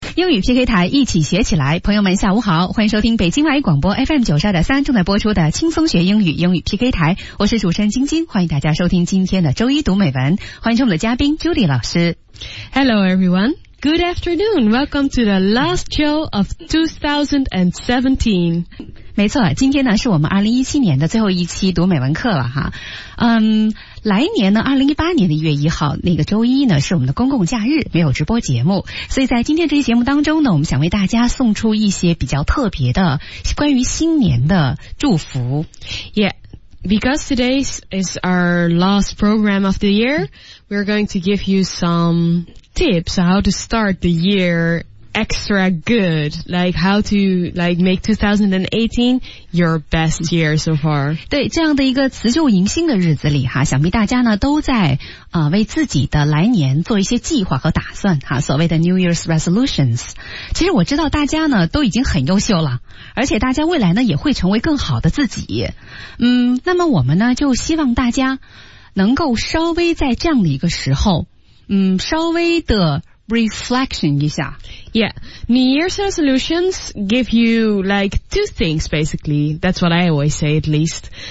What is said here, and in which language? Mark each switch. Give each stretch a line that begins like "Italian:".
Chinese: 英语 PK 台一起学起来，朋友们下午好，欢迎收听北京外语广播 FM92.3 正在播出的轻松学英语，英语 PK 台，我是主持人晶晶，欢迎大家收听今天的周一读美文，欢迎我们的嘉宾 Julie 老师。
English: Hello everyone, good afternoon, welcome to the last show of 2017.
Chinese: 没错，今天呢是我们2017年的最后一期读美文课了哈。来年呢2018年的1月1号那个周一呢是我们的公共假日，没有直播节目。所以在今天这期节目当中呢，我们想为大家送出一些比较特别的关于新年的祝福。
English: Yeah, because today is our last program of the year, we're going to give you some tips how to start the yearExtra good, like how to like make 2018 your best year so far.
Chinese: 对，这样的一个辞旧迎新的日子里哈，想必大家呢都在为自己的来年做一些计划和打算哈，所谓的
English: New Year's resolutions.
Chinese: 其实我知道大家呢都已经很优秀了，而且大家未来呢也会成为更好的自己。那么我们呢就希望大家能够稍微在这样的一个时候，稍微的reflection 一下。
English: Yeah, New Year's resolutions give you like two things basically, that's what I always say at least.